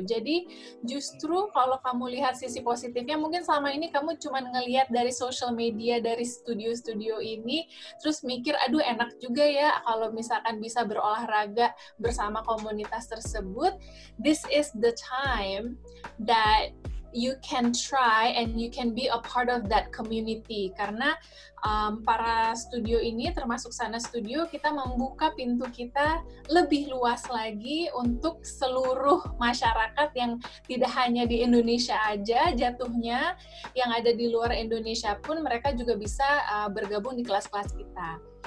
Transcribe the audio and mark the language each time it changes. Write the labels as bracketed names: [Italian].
[Indonesian] Jadi justru kalau kamu lihat sisi positifnya, mungkin selama ini kamu cuma ngelihat dari social media, dari studio-studio ini, terus mikir, aduh enak juga ya kalau misalkan bisa berolahraga bersama komunitas tersebut. [English] This is the time that you can try and you can be a part of that community. [Indonesian] Karena para studio ini, termasuk Sana Studio, kita membuka pintu kita lebih luas lagi untuk seluruh masyarakat yang tidak hanya di Indonesia aja jatuhnya, yang ada di luar Indonesia pun mereka juga bisa bergabung di kelas-kelas kita.